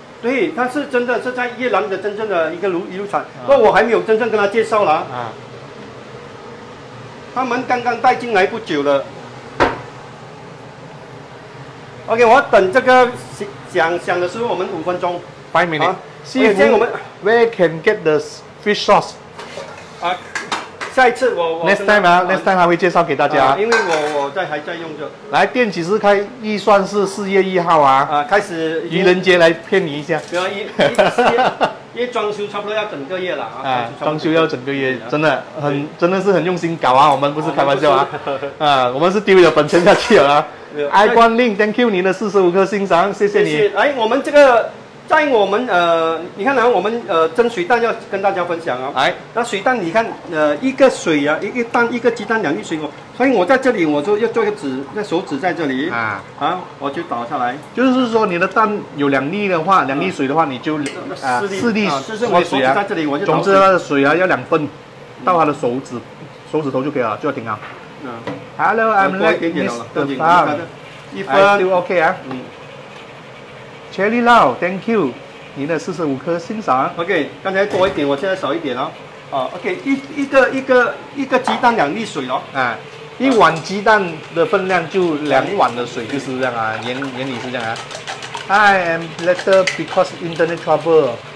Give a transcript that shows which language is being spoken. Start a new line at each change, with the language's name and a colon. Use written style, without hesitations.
Chinese: 对，他是真的是在越南的真正的一个鱼露场，不过我还没有真正跟他介绍啦。他们刚刚带进来不久了。 OK， 我等这个响的时候，我们5分钟。
English: 5 minutes。
Chinese: 师傅，我们
English: Where can get the fish sauce？
Chinese: 下一次我
English: next time 啊 ，next time
Chinese: 还会介绍给大家。因为我还在用着。来，店几时开？预算是4月1号啊。开始。愚人节来骗你一下。不要一月，因为装修差不多要整个月了啊。装修要整个月，真的是很用心搞啊，我们不是开玩笑啊。我们是丢了本钱下去了啊。爱观令 ，
English: thank you
Chinese: 你的45颗欣赏，谢谢你。哎，我们这个。在我们你看来我们蒸水蛋要跟大家分享啊、那水蛋你看一个水啊，一个蛋，一个鸡蛋，两滴水果，所以我在这里我就要做一个纸，那手指在这里啊，我就倒下来，就是说你的蛋有两滴的话，两滴水的话你就四滴水啊，就是我手指在这里，我就总之它的水啊要2分到它的手指头就可以了，就要停啊。
English: Hello， I'm late Mr. Tan，
Chinese: 1分
English: still OK 啊。
Chinese: Cherry Lau，
English: Thank you，
Chinese: 你的45颗欣赏。 OK， 刚才多一点，我现在少一点了。OK， 一个鸡蛋两滴水哦。一碗鸡蛋的分量就2碗的水，就是这样啊，原理是这样啊。
English: I am later because internet trouble。